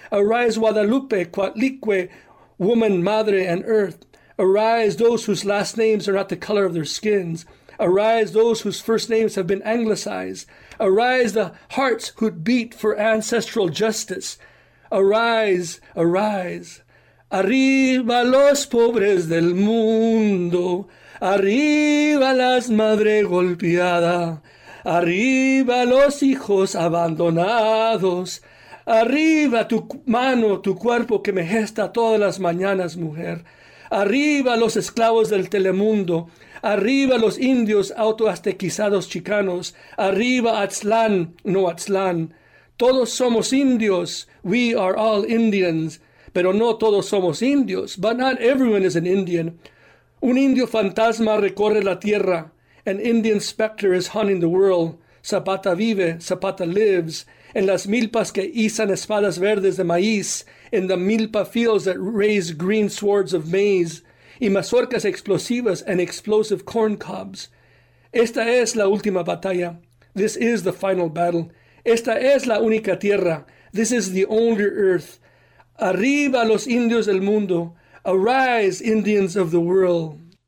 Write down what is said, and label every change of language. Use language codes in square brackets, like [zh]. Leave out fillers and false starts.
[en] Arise, Guadalupe, Cuatlicue, woman, [es] madre, [en] and earth. Arise, those whose last names are not the color of their skins. Arise, those whose first names have been anglicized. Arise, the hearts who beat for ancestral justice. Arise, arise. [es] Arriba los pobres del mundo. Arriba las madres golpeadas. Arriba los hijos abandonados. Arriba tu mano, tu cuerpo que me gesta todas las mañanas, mujer. Arriba los esclavos del Telemundo. Arriba los indios autoaztequizados chicanos. Arriba Aztlán, no Aztlán. Todos somos indios. [en] We are all Indians. [es] Pero no todos somos indios. [en] But not everyone is an Indian. [es] Un indio fantasma recorre la tierra. [en] An Indian specter is haunting the world. [es] Zapata vive, [en] Zapata lives. [es] En las milpas que izan espadas verdes de maíz. [en] In the milpa fields that raise green swords of maize. [es] Y mazorcas explosivas [en] and explosive corn cobs. [es] Esta es la última batalla. [en] This is the final battle. [es] Esta es la única tierra. [en] This is the only earth. [es] Arriba los indios del mundo. [en] Arise, Indians of the world.